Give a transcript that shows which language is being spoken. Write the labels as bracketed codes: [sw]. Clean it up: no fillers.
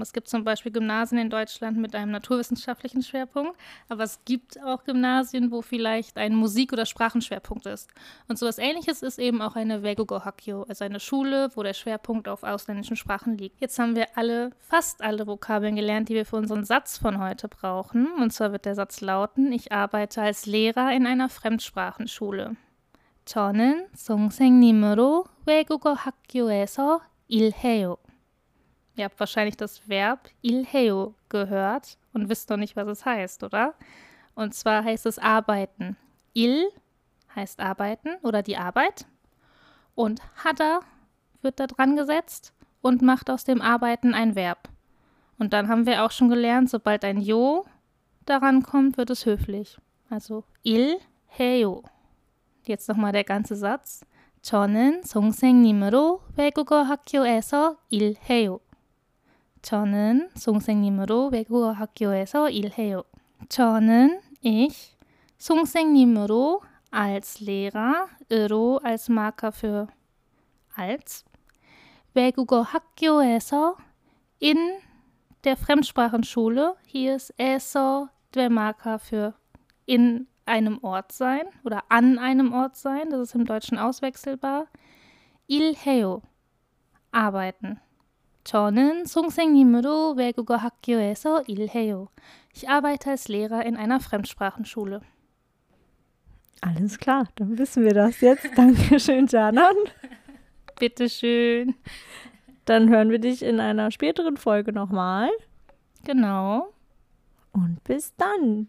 [de] Es gibt zum Beispiel Gymnasien in Deutschland mit einem naturwissenschaftlichen Schwerpunkt, aber es gibt auch Gymnasien, wo vielleicht ein Musik- oder Sprachenschwerpunkt ist. Und sowas Ähnliches ist eben auch eine Waegugo Hakyo, also eine Schule, wo der Schwerpunkt auf ausländischen Sprachen liegt. Jetzt haben wir fast alle Vokabeln gelernt, die wir für unseren Satz von heute brauchen. Und zwar wird der Satz lauten: Ich arbeite als Lehrer in einer Fremdsprachenschule. [ko] 저는 선생님으로 외국어 학교에서 일해요. [de] Ihr habt wahrscheinlich das Verb 일해요 gehört und wisst noch nicht, was es heißt, oder? Und zwar heißt es arbeiten. 일 heißt arbeiten oder die Arbeit. Und 하다 wird da dran gesetzt und macht aus dem Arbeiten ein Verb. Und dann haben wir auch schon gelernt, sobald ein Jo daran kommt, wird es höflich. Also Il Haeyo. Jetzt nochmal der ganze Satz. [ko] 저는 선생님으로 외국어 학교에서 일해요. 저는 선생님으로 외국어 학교에서 일해요. 저는 [de] ich [ko] 선생님으로 [de] als Lehrer으로 als Marker für als [ko] 외국어 학교에서 [de] in der Fremdsprachenschule, hier ist 에서 der Marker für in einem Ort sein oder an einem Ort sein, das ist im Deutschen auswechselbar. [ko] 일해요, [de] arbeiten. [ko] 저는 선생님으로 외국어 학교에서 일해요. [de] Ich arbeite als Lehrer in einer Fremdsprachenschule. Alles klar, dann wissen wir das jetzt. Dankeschön, Janan. Bitteschön. Dann hören wir dich in einer späteren Folge nochmal. Genau. Und bis dann.